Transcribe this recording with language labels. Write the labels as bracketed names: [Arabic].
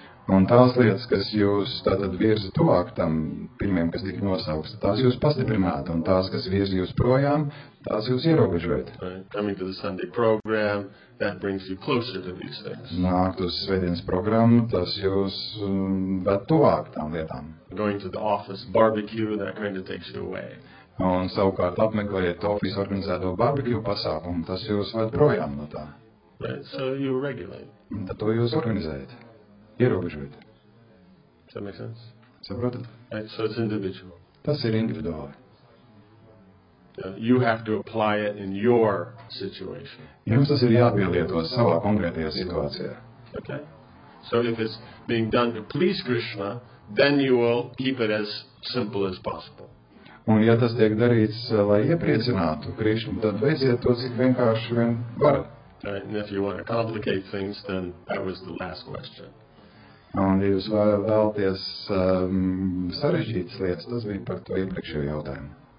[Latvian] Un tās lietas, kas jūs tātad virza tuvāk tam pirmiem, kas tika nosaukts, tās jūs pastiprināt, un tās, kas virza jūs projām, tās jūs ierobežojat. [English] Right. Coming to the Sunday program, that brings you closer to these things. [Latvian] Nākt uz svētdienas programmu, tas jūs ved tuvāk tām lietām. [English] Going to the office barbecue, that kind of takes you away. [Latvian] Un savukārt apmeklējiet office organizēto barbecue pasākumu, tas jūs ved projām no tā. [English] Right. So you regulate. [Latvian] Tad to jūs organizējat. Ierobežojot. [English] Does that make sense? [Latvian] Saprotat? [English] Right, so it's individual. [Latvian] Tas ir individuāli. [English] You have to apply it in your situation. [Latvian] Jums tas ir jāpielietot savā konkrētajā situācijā. [English] Okay. So if it's being done to please Krishna, then you will keep it as simple as possible. [Latvian] Un ja tas tiek darīts, lai iepriecinātu Krishna, tad veiciet to, cik vienkārši vien varat. [English] Right, and if you want to complicate things, then that was the last question. [Latvian] Un, ja jūs vēlties sarežģītas lietas, tas bija par to iepriekšējo jautājumu.